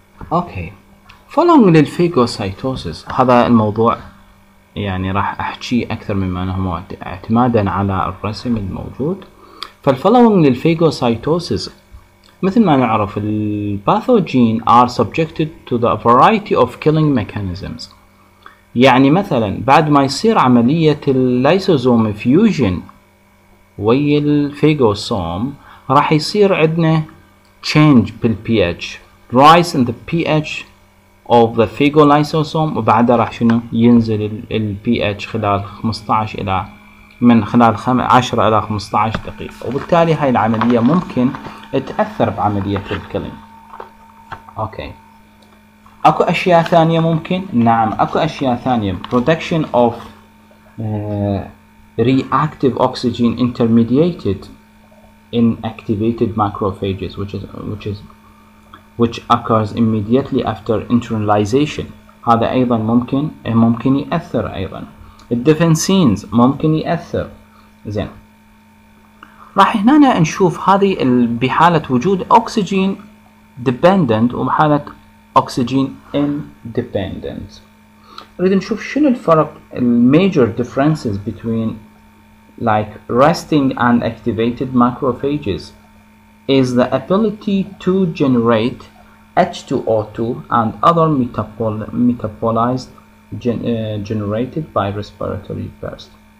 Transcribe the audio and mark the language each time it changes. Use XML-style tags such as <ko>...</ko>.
<en>Okay, following the phagocytosis,</en> <ar>هذا الموضوع يعني راح أحكي أكثر مما أنه اعتمادا على الرسم الموجود.</ar> <en>فالfollowing the phagocytosis,</en> <ar>مثل ما نعرف الباثوجين</ar> <en>are subjected to the variety of killing mechanisms.</en> <ar>يعني مثلا بعد ما يصير عملية الليسوزوم فيوجن ويا الفيغوسوم راح يصير عندنا change بالpH,</ar> <en>rise in the pH of the phagolysosome,</en> <ar>وبعدها راح شنو ينزل الpH خلال 15 إلى من خلال 10 إلى 15 دقيقة, وبالتالي هاي العملية ممكن تأثر بعملية الكلينج. أوكي, أكو أشياء ثانية ممكن؟ نعم, أكو أشياء ثانية.</ar> <en>Production of reactive oxygen intermediated in activated macrophages, which occurs immediately after internalization.</en> <ar>هذا أيضا ممكن, ممكن يأثر أيضا. الديفنسينز ممكن يأثر. زين, راح هنا نشوف هذه بحالة وجود أكسجين ديبندنت وبحالة أكسجين إنديبندنت. نريد نشوف شنو الفرق, الميجر ديفرنسز بين</ar> <en>like resting and activated macrophages, is the ability to generate H2O2 and other metabolized generated by respiratory burst.</en>